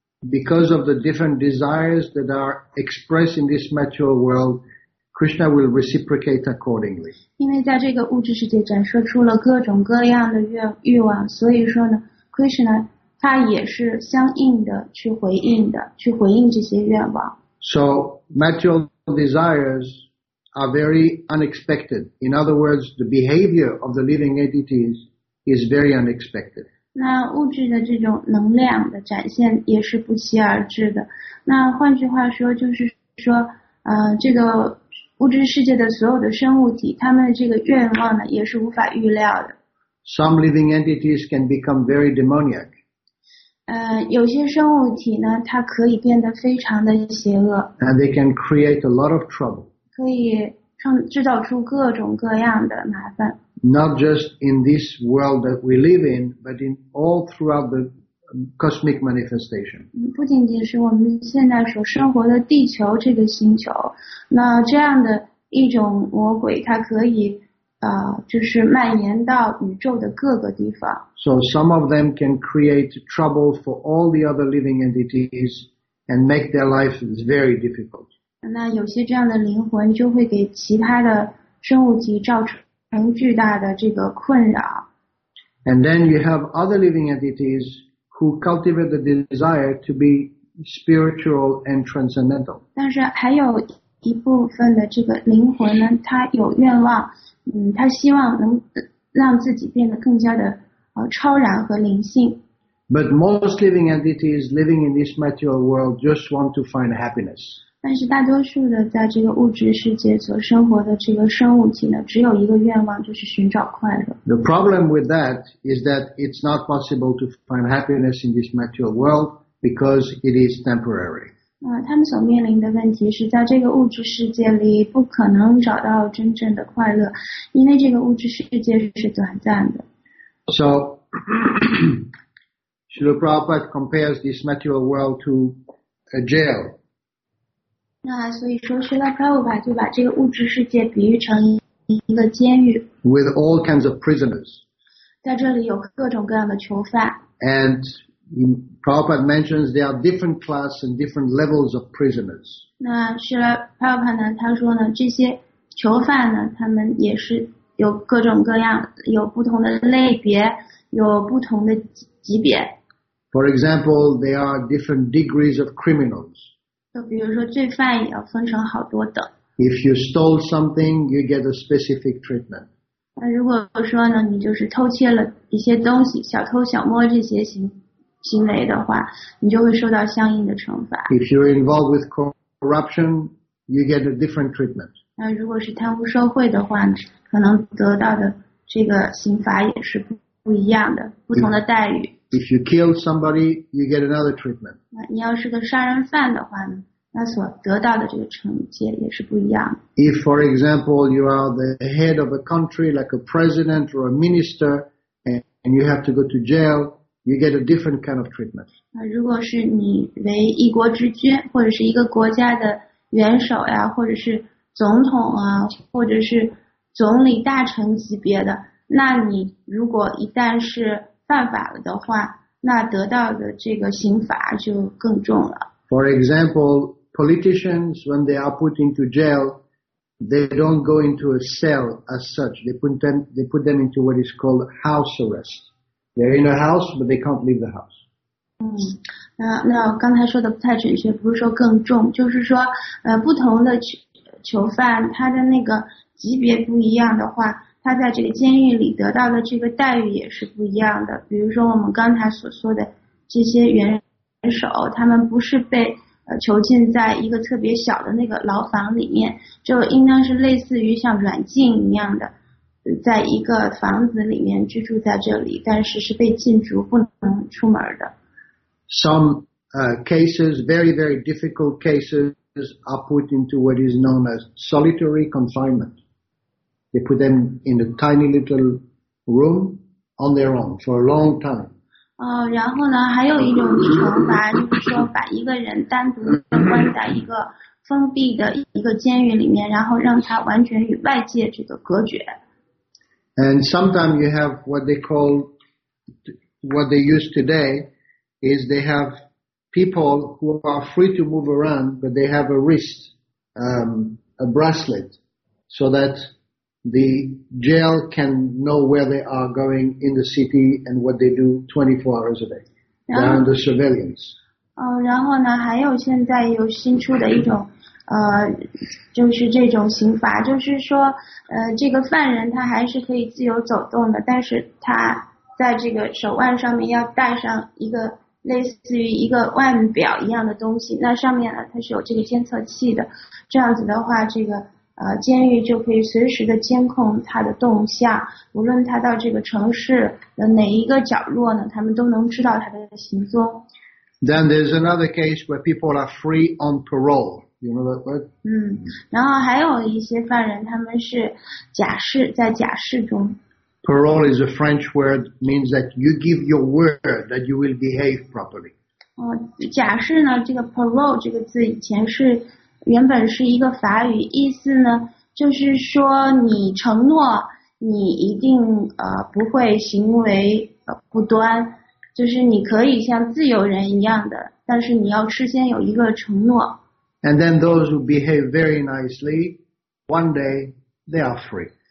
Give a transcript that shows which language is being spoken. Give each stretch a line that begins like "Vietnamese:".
English: Because of the different desires that are expressed in this material world. Krishna will reciprocate accordingly.
Chinese: 因为在这个物质世界展示出了各种各样的欲望，所以说呢 ，Krishna 他也是相应的去回应的，去回应这些愿望。
English: So material desires are very unexpected. In other words, the behavior of the living entities is very unexpected.
Chinese: 那物质的这种能量的展现也是不期而至的。那换句话说，就是说，这个。物质世界的所有的生物体，他们的这个愿望呢，也是无法预料的。
English: Some living entities can become very demoniac.
Chinese: 有些生物体呢，它可以变得非常的邪恶。
English: And they can create a lot of trouble.
Chinese: 可以制造出各种各样的麻烦。
English: Not just in this world that we live in, but in all throughout the cosmic manifestation.
Chinese: 不仅仅是我们现在所生活的地球这个星球，那这样的一种魔鬼，它可以就是蔓延到宇宙的各个地方。
English: So some of them can create trouble for all the other living entities and make their life very difficult.
Chinese: 那有些这样的灵魂就会给其他的生物体造成巨大的这个困扰。
English: And then you have other living entities. Who cultivate the desire to be spiritual and transcendental.
Chinese: 但是还有一部分的这个灵魂呢，他有愿望，他希望能让自己变得更加的超然和灵性。
English: But most living entities living in this material world just want to find happiness.
Chinese: 但是大多数的在这个物质世界所生活的这个生物体呢，只有一个愿望，就是寻找快乐。
English: The problem with that is that it's not possible to find happiness in this material world because it is temporary.
Chinese: 他们所面临的问题是在这个物质世界里不可能找到真正的快乐，因为这个物质世界是短暂的。
English: So, Srila Prabhupada compares this material world to a jail.
Chinese: 那所以说，释迦牟尼佛就把这个物质世界比喻成一个监狱。
English: With all kinds of prisoners.
Chinese: 在这里有各种各样的囚犯。
English: And Prabhupada mentions there are different class and different levels of prisoners.
Chinese: 那释迦牟尼佛呢？他说呢，这些囚犯呢，他们也是有各种各样，有不同的类别，有不同的级别。
English: For example, there are different degrees of criminals.
Chinese: 就比如说罪犯也要分成好多等。
English: If you stole something, you get a specific treatment.
Chinese: 那如果说呢，你就是偷窃了一些东西，小偷小摸这些行为的话，你就会受到相应的惩罚。
English: If you're involved with corruption, you get a different treatment.
Chinese: 那如果是贪污受贿的话，可能得到的这个刑罚也是不一样的，不同的待遇。
English: If you kill somebody, you get another treatment.
Chinese: 你要是个杀人犯的话呢，那所得到的这个惩戒也是不一样的。
English: If, for example, you are the head of a country, like a president or a minister, and you have to go to jail, you get a different kind of treatment.
Chinese: 如果是你为一国之君，或者是一个国家的元首呀，或者是总统啊，或者是总理大臣级别的，那你如果一旦是犯法了的话，那得到的这个刑罚就更重了。
English: For example, politicians, when they are put into jail, they don't go into a cell as such. They put them into what is called house arrest. They're in a house, but they can't leave the house.
Chinese: 那刚才说的不太准确，不是说更重，就是说，不同的囚犯，他的那个级别不一样的话，他在这个监狱里得到的这个待遇也是不一样的。比如说我们刚才所说的这些元首，他们不是被囚禁在一个特别小的那个牢房里面，就应当是类似于像软禁一样的，在一个房子里面居住在这里，但是是被禁足不能出门的。
English: Some cases, very very difficult cases, are put into what is known as solitary confinement. They put them in a tiny little room on their own for a long time.
Chinese: 然后呢，还有一种惩罚，就是说把一个人单独的关在一个封闭的一个监狱里面，然后让他完全与外界这个隔绝。
English: And sometimes you have they have people who are free to move around, but they have a wrist, a bracelet, so that. The jail can know where they are going in the city and what they do 24 hours a day. They're under surveillance.
Chinese: 然后呢，还有现在有新出的一种，就是这种刑罚，就是说，这个犯人他还是可以自由走动的，但是他在这个手腕上面要戴上一个类似于一个腕表一样的东西，那上面呢，它是有这个监测器的，这样子的话，这个。监狱就可以随时的监控他的动向，无论他到这个城市的哪一个角落呢，他们都能知道他的行踪。
English: Then there's another case where people are free on parole. You know that word?
Chinese: 然后还有一些犯人，他们是假释，在假释中。
English: Parole is a French word, means that you give your word that you will behave properly.
Chinese: 假释呢，这个 parole 这个字以前是。原本是一个法语，意思呢，就是说你承诺你一定不会行为不端，就是你可以像自由人一样的，但是你要事先有一个承诺。
English: And then those who behave very nicely, one day they are free.